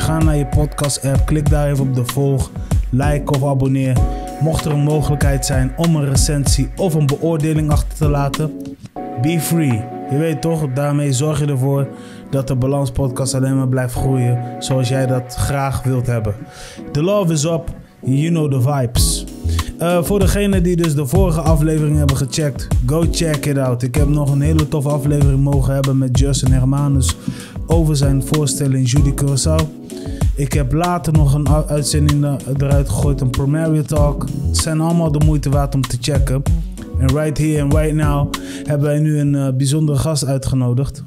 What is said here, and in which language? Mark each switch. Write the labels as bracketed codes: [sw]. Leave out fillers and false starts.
[nl] Ga naar je podcast app, klik daar even op de volg, like of abonneer. Mocht er een mogelijkheid zijn om een recensie of een beoordeling achter te laten, [en] be free. [nl] Je weet toch, daarmee zorg je ervoor dat de Balans podcast alleen maar blijft groeien zoals jij dat graag wilt hebben. [en] The love is up, you know the vibes. [nl] Voor degene die dus de vorige aflevering hebben gecheckt, [en] go check it out. [nl] Ik heb nog een hele toffe aflevering mogen hebben met Justin Hermanus over zijn voorstelling Judy Curaçao. Ik heb later nog een uitzending eruit gegooid, een Promario Talk. Het zijn allemaal de moeite waard om te checken. En [en] right here and right now [nl] hebben wij nu een bijzondere gast uitgenodigd.